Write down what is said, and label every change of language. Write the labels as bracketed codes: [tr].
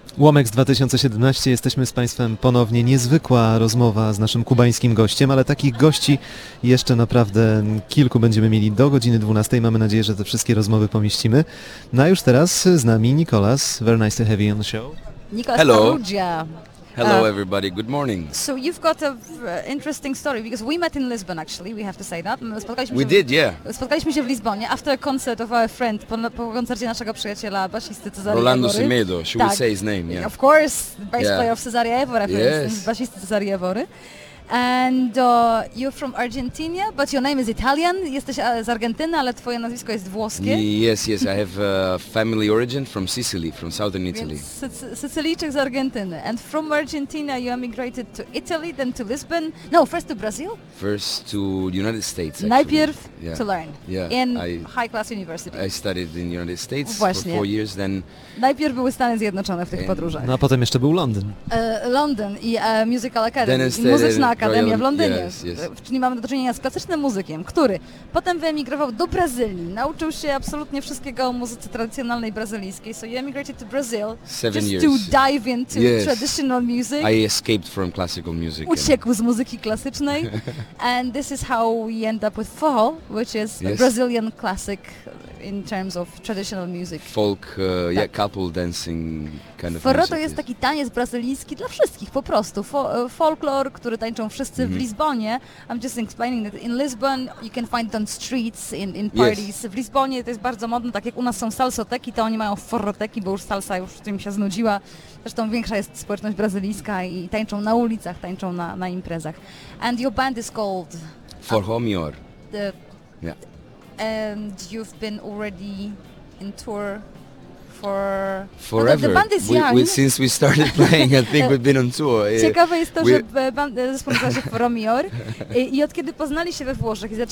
[pl] Łomeks 2017, jesteśmy z Państwem ponownie. Niezwykła rozmowa z naszym kubańskim gościem, ale takich gości jeszcze naprawdę kilku będziemy mieli do godziny 12. Mamy nadzieję, że te wszystkie rozmowy pomieścimy. No a już teraz z nami Nicolas. [en] Very nice to have you on the show. Nicolas. Hello. Perugia. Hello everybody, good morning. So you've got a interesting story, because we met in Lisbon actually, we have to say that. [pl] Spotkaliśmy się w Lizbonie [en] after a concert of our friend, [pl] po koncercie naszego przyjaciela, basisty Cezary [en] Rolando Evory. Semedo, should we say his name? Yeah. Of course, bass player of Cezary Evory, yes. [pl] Basisty Cezary Evory. [en] And you're from Argentina, but your name is Italian. [pl] Jesteś z Argentyny, ale twoje nazwisko jest włoskie. [en] Yes, yes, I have family origin from Sicily, from southern Italy. [pl] Sicylijczyk z Argentyny. [en] And from Argentina you emigrated to Italy, then to Lisbon. No, first to Brazil. First to United States, actually. [pl] Najpierw [en] to learn. Yeah, high-class university. I studied in United States [pl] Właśnie. [en] For 4 years, then... [pl] Najpierw były Stany Zjednoczone w tych podróżach. No, a potem jeszcze był Londyn. [en] London i Musical Academy. [pl] Akademia w Londynie, czyli mamy do czynienia z klasycznym muzykiem, który potem wyemigrował do Brazylii, nauczył się absolutnie wszystkiego o muzyce tradycjonalnej brazylijskiej. [en] So you emigrated to Brazil dive into traditional music. I escaped from classical music. [pl] Uciekł z muzyki klasycznej. [en] And this is how we end up with Forró, which is a Brazilian classic in terms of traditional music. Folk, couple dancing kind of Forró music. [pl] Forró to jest taki taniec brazylijski dla wszystkich po prostu. Folklor, który tańczą wszyscy w Lizbonie. [en] I'm just explaining that in Lisbon you can find it on streets, in parties. Yes. [pl] W Lizbonie to jest bardzo modne, tak jak u nas są salsoteki, to oni mają forroteki, bo już salsa już tym się znudziła. Zresztą większa jest społeczność brazylijska i tańczą na ulicach, tańczą na imprezach. [en] And your band is called... Forró Mior. And you've been already in tour for... Forever. The band is young. Since we started playing, I think we've been on tour. [pl] Ciekawe jest to, że band zespół nazywa się Forró Mior i od kiedy poznali się we Włoszech i zaczęli